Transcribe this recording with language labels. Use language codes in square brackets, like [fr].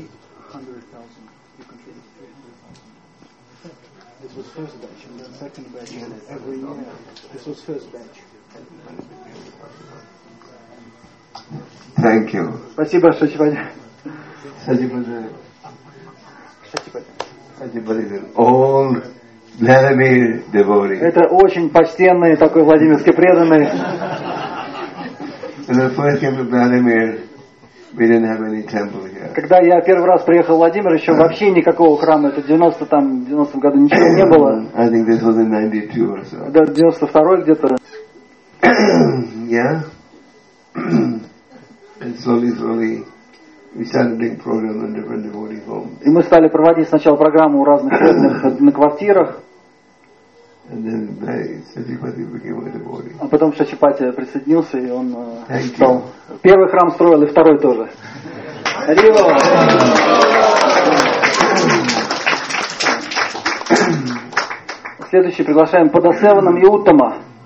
[en] You contributed. This was first batch, and then second batch, and every year. This was first batch. Thank you. [ru] Спасибо, Шачипати. Шачипати. Шачипати, all Это очень почтенный такой Владимирский преданный. Когда я первый раз приехал в Владимир, еще вообще никакого храма, это 90-м году ничего не было. [en] I think this was in 92 or so. [ru] Да, 92-й где-то. [en] Yeah. And slowly we started doing program in different devotee homes. [ru] И мы стали проводить сначала программу у разных преданных на квартирах. [en] And then Шачипати became a devotee. [ru] А потом Шачипати присоединился, и он стал. Первый храм строил, и второй тоже. Рио! Следующий приглашаем Падасеванам и Уттама.